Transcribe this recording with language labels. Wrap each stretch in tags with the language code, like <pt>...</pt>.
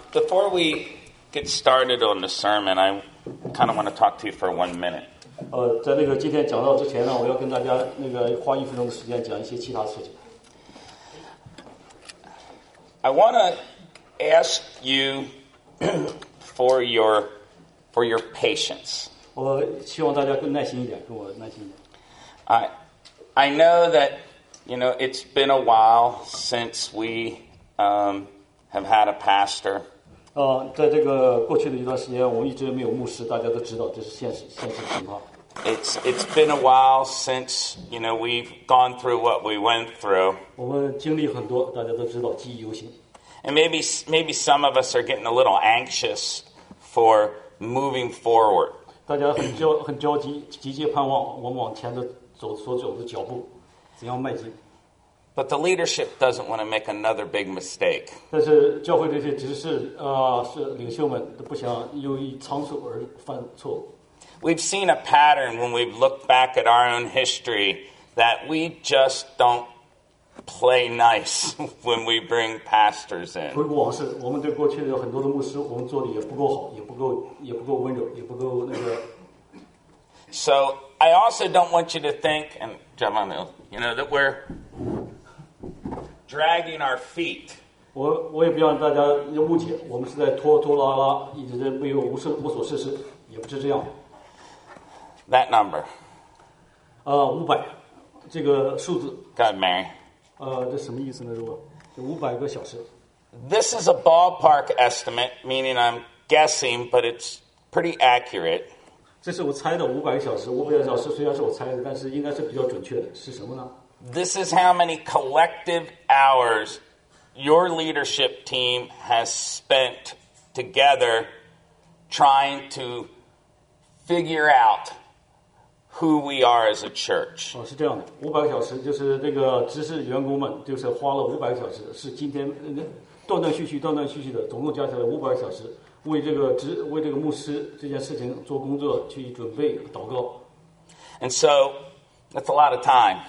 <en>Before we get started on the sermon, I kind of want to talk to you for 1 minute.</en> <zh>在那个今天讲到之前呢，我要跟大家那个花一分钟的时间讲一些其他事情。</zh> <en>I want to ask you for your patience.</en> <zh>我希望大家更耐心一点，跟我耐心一点。</zh> <en>I know that, you know, it's been a while since we have had a pastor.</en> <zh>在这个过去的一段时间，我一直没有牧师，大家都知道这是现实情况。</zh> <en>It's been a while since, you know, we've gone through what we went through.</en> <zh>我们经历很多，大家都知道，记忆犹新。</zh> <en>And maybe some of us are getting a little anxious for moving forward.</en> <zh>大家很焦急，急切盼望我们往前的。</zh> <en>But the leadership doesn't want to make another big mistake.</en> <zh>但是教会这些执事啊，是领袖们都不想由于仓促而犯错。</zh> <en>We've seen a pattern when we've looked back at our own history that we just don't play nice when we bring pastors in.</en> <zh>回顾往事，我们对过去的很多的牧师，我们做的也不够好，也不够温柔，也不够那个。</zh> <en>So. I also don't want you to think, and Javon, you know, that we're dragging our feet.</en> <zh>我也不让大家误解，我们是在拖拖拉拉，一直在没有无所事事，也不是这样。</zh> <en>That number.</en> <zh>五百，这个数字。</zh> <en>God, Mary.</en> <zh>这什么意思呢？如果这五百个小时。</zh> <en>This is a ballpark estimate, meaning I'm guessing, but it's pretty accurate.</en> <zh>这是我猜的五百个小时，五百个小时虽然是我猜的，但是应该是比较准确的。是什么呢</zh> <en>？This is how many collective hours your leadership team has spent together trying to figure out who we are as a church.</en> <zh>哦，是这样的，五百个小时就是那个执事员工们就是花了五百个小时，是今天断断续续的，总共加起来五百个小时。为这个牧师这件事情做工作去准备祷告</zh> <en>，and so that's a lot of time.</en>